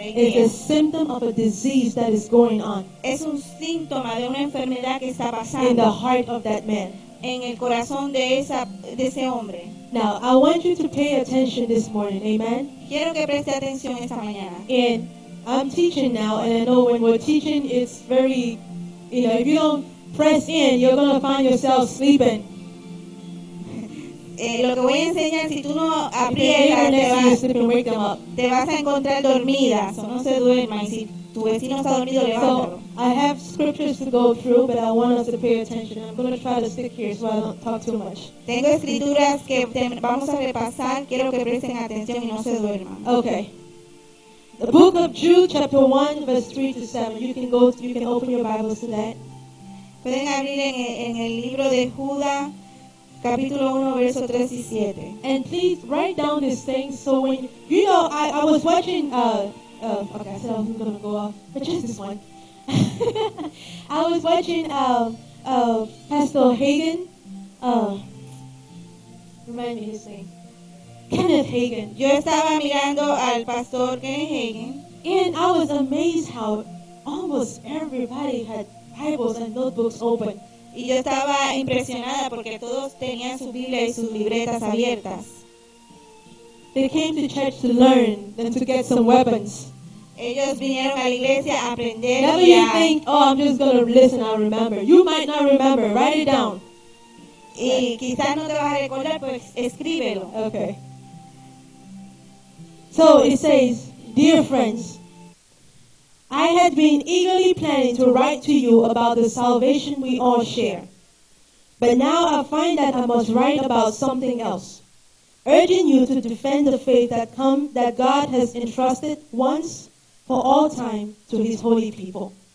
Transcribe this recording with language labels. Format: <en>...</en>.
<en>is a symptom of a disease that is going on.</en> <es>Es un síntoma de una enfermedad que está pasando.</es> <en>In the heart of that man.</en> <es>En el corazón de ese hombre.</es> <en>Now, I want you to pay attention this morning, amen?</en> <es>Quiero que preste atención esta mañana.</es> <en>And I'm teaching now, and I know when we're teaching, it's very, if you don't press in, you're going to find yourself sleeping.</en> <es>Lo que voy a enseñar, si tú no aprietas, te vas a encontrar dormida. So no se duerma, y si tu vecino está dormido, levántalo.</es> <en>So, I have scriptures to go through, but I want us to pay attention. I'm going to try to stick here so I don't talk too much.</en> <es>Tengo escrituras que vamos a repasar. Quiero que presten atención y no se duerman.</es> <en>Okay. The book of Jude, chapter 1, verse 3 to 7. You can go, you can open your Bibles to that.</en> <es>Pueden abrir en el libro de Judas. Capítulo 1, verso 3 y 7.</es> <en>And please write down these things so when you know I was watching okay, so I'm gonna go off, but just this one. I was watching Pastor Hagen. Remind me his name. Kenneth Hagen.</en> <es>Yo estaba mirando al Pastor Kenneth Hagen.</es> <en>And I was amazed how almost everybody had Bibles and notebooks open.</en> <es>Y yo estaba impresionada porque todos tenían su Biblia y sus libretas abiertas.</es> <en>They came to church to learn and to get some weapons.</en> <es>Ellos vinieron a la iglesia a aprender.</es> <en>Never you think, oh, I'm just going to listen, I'll remember. You might not remember. Write it down.</en> <es>Y quizás no te vas a recordar, pues escríbelo.</es> <en>Okay. So it says, dear friends, I had been eagerly planning to write to you about the salvation we all share. But now I find that I must write about something else, urging you to defend the faith that come that God has entrusted once for all time to his holy people.</en>